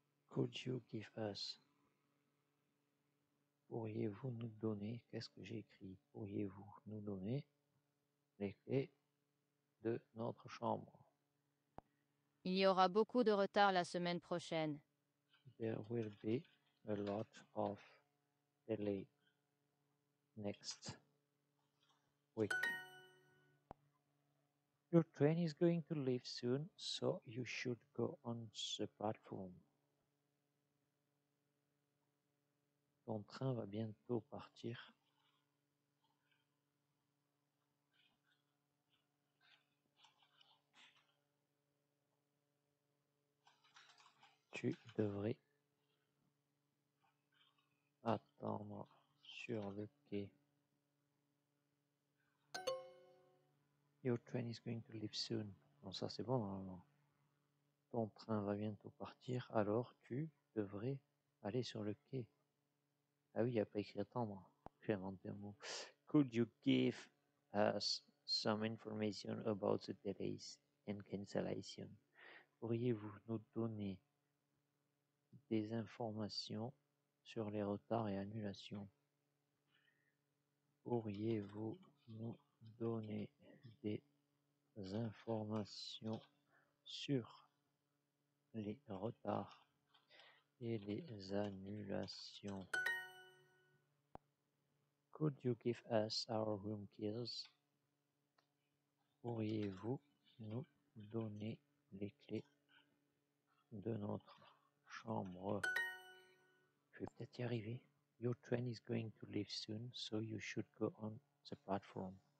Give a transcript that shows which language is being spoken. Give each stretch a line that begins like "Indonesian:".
English: Could you give us?
French: Pourriez-vous nous donner, qu'est-ce que j'ai écrit? Pourriez-vous nous donner les clés de notre chambre? Il y aura beaucoup de retard la semaine prochaine.
English: There will be a lot of delay next week. Your train is going to leave soon, so you should go on the platform.
French: Ton train va bientôt partir. Tu devrais attendre sur le quai.
English: Your train is going to leave soon.
French: Bon, ça c'est bon normalement. Ton train va bientôt partir, alors tu devrais aller sur le quai. Ah oui, il n'y a pas écrit attendre. J'ai inventé un mot.
English: Could you give us some information about the delays and cancellation?
French: Pourriez-vous nous donner des informations sur les retards et annulations? Pourriez-vous nous donner des informations sur les retards et les annulations?
English: Could you give us our room keys?
French: Pourriez-vous nous donner les clés de notre chambre? Je vais peut-être y arriver.
English: Your train is going to leave soon, so you should go on the platform.